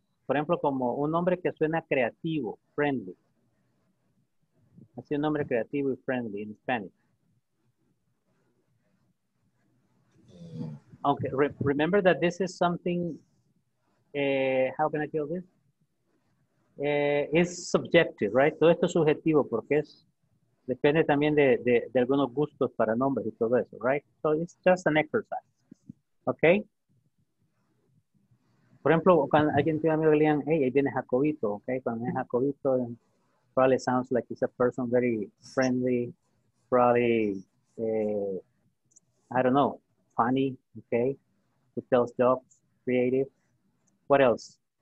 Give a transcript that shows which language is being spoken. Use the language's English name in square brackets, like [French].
[Spanish] Por ejemplo, como un nombre que suena creativo, friendly. Así un nombre creativo y friendly en Spanish. [English] Okay, remember that this is something, how can I tell this? It's subjective, right? [Spanish] Todo esto es subjetivo porque es, depende también de algunos gustos para nombres y todo eso, right? [English] So it's just an exercise, okay? [Spanish] Por ejemplo, cuando alguien tiene amigo que le digan, hey, ahí viene Jacobito, okay? Cuando viene [English] Jacobito, probably sounds like he's a person very friendly, probably, I don't know, funny, okay? Who tells jokes, creative. What else?